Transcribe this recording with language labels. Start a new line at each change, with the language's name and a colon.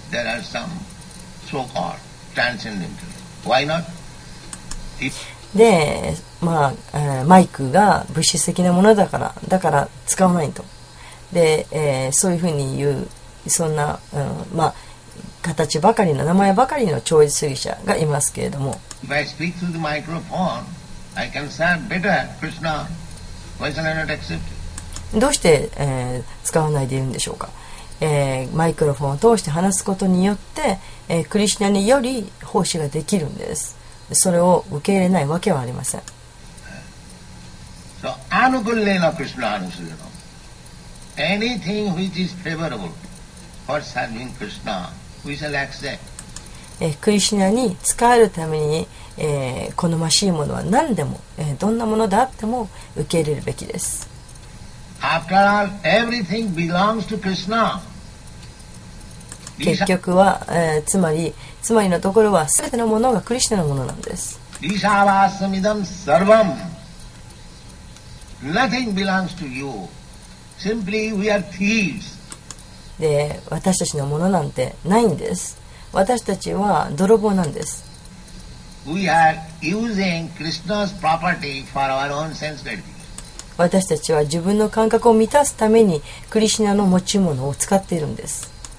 English: There are some so-called transcendental. Why not?
Japanese: で、まあ、マイクが物質的なものだから、だから使わないと。で、そういうふうに言う、そんな、まあ、形ばかりの、名前ばかりの超越主義者がいますけれども。
English: If I speak through the microphone, I can sound better. Krishna, why should I not accept it?
Japanese: どうして、使わないでいるんでしょうか、マイクロフォンを通して話すことによって、クリシナにより奉仕ができるんです。それを受け入れないわけはありません。
Sanskrit: So, anukullena krishna anusudana.
English: Anything which is favorable for serving krishna, we shall accept.
Japanese: クリシナに使えるために、好ましいものは何でも、どんなものであっても受け入れるべきです。
English: After all, everything belongs to Krishna.
Japanese: 結局は、つまりのところは、すべてのものがクリシナのものなんです。
Sanskrit: リシャバスミダムサルバム。
English: Nothing belongs to you. Simply we are thieves.
Japanese: で、私たちのものなんてないんです。私たちは泥棒なんです。
English: We are using Krishna's property for our own sense gratification.
Japanese: 私たちは自分の感覚を満たすためにクリシナの持ち物を使っているんです。